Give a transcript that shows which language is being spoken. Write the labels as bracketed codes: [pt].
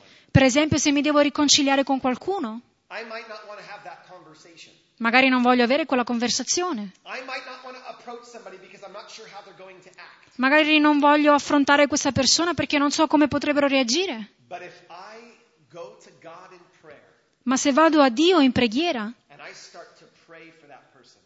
[it] Per esempio, se mi devo riconciliare con qualcuno, [en] I might not want to have that conversation. [it] Magari non voglio avere quella conversazione. [en] I might not want to approach somebody because I'm not sure how they're going to act. [it] Magari non voglio affrontare questa persona perché non so come potrebbero reagire. [en] But if I go to God in prayer, [it] ma se vado a Dio in preghiera, [en] and I start to pray for that person,